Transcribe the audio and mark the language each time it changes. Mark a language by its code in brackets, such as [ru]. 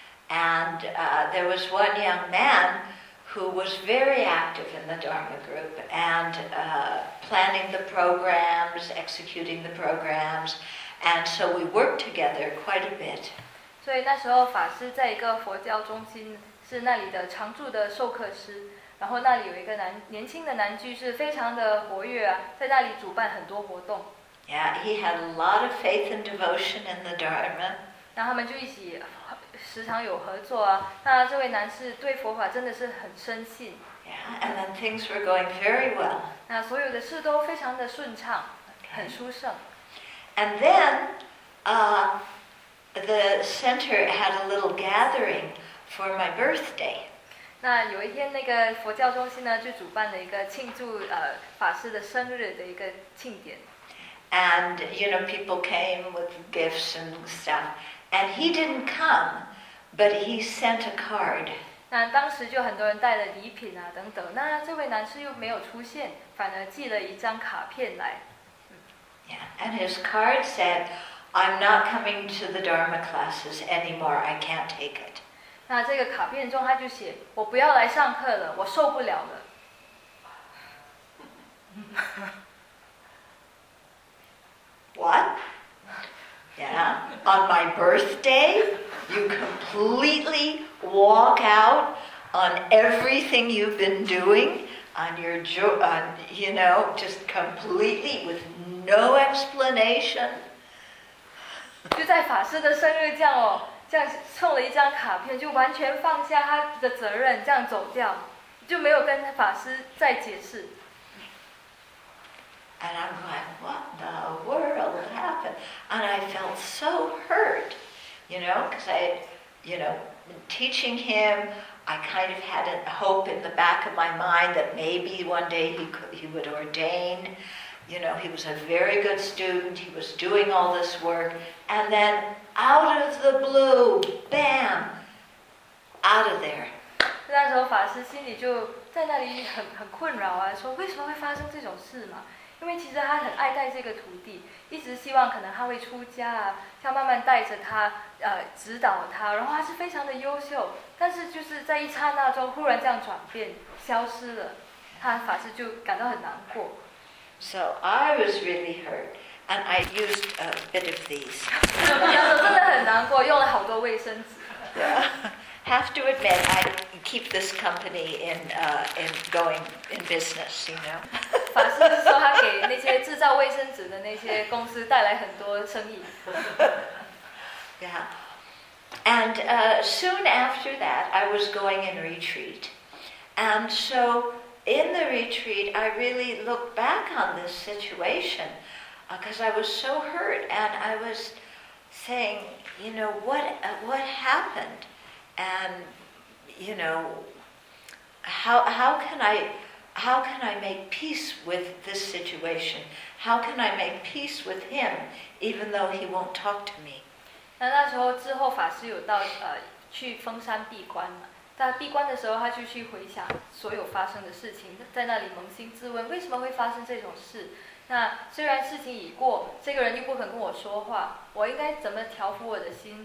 [en] And there was one young man who was very active in the Dharma group and planning the programs, executing the programs. And so we worked together quite a bit. [zh] 所以那时候法师在一个佛教中心，是那里的常住的授课师，然后那里有一个年轻的男居士，非常的活跃啊，在那里主办很多活动。 [en] Yeah, he had a lot of faith and devotion in the Dharma. [zh] 那他们就一起时常有合作啊。那这位男士对佛法真的是很深信。 [en] Yeah, and then things were going very well. [zh] 那所有的事都非常的顺畅， okay. 很殊胜。 [en] And then, the center had a little gathering for my birthday. [zh] 那有一天，那个佛教中心呢，就主办了一个庆祝法师的生日的一个庆典。 [en] And, you know, people came with gifts and stuff. And he didn't come, but he sent a card. [zh] 那当时就很多人带了礼品啊等等，那这位男士又没有出现，反而寄了一张卡片来。 [en] Yeah, and his card said, I'm not coming to the Dharma classes anymore, I can't take it. [zh] 那这个卡片中他就写，我不要来上课了，我受不了了。 [en] What? Yeah, on my birthday, you completely walk out on everything you've been doing, on your, you know, just completely with no explanation. [zh] 就在法师的生日这样哦，这样送了一张卡片，就完全放下他的责任，这样走掉，就没有跟法师再解释。 [en] And I'm like, what the world happened? And I felt so hurt, you know, because I, you know, teaching him, I kind of had a hope in the back of my mind that maybe one day he would ordain. You know, he was a very good student. He was doing all this work. And then out of the blue, bam, out of there. [zh] 那时候法师心里就在那里很困扰啊，说为什么会发生这种事嘛？因为其实他很爱戴这个徒弟，一直希望可能他会出家啊，像慢慢带着他，指导他，然后他是非常的优秀，但是就是在一刹那中忽然这样转变消失了，他法师就感到很难过。 [en] So I was really hurt, and I used a bit of these. [zh] 真的很难过，用了好多卫生纸。 [en] Yeah. Have to admit, I keep this company in going in business, you know. [zh] 法师说他给那些制造卫生纸的那些公司带来很多生意。 [en] Yeah. And soon after that, I was going in retreat. And so in the retreat, I really looked back on this situation because I was so hurt. And I was saying, you know, what happened? And, you know, how can I make peace with this situation? How can I make peace with him, even though he won't talk to me? [zh] 那时候之后，法师有到去封山闭关嘛？在闭关的时候，他就去回想所有发生的事情，在那里扪心自问，为什么会发生这种事？那虽然事情已过，这个人又不肯跟我说话，我应该怎么调伏我的心？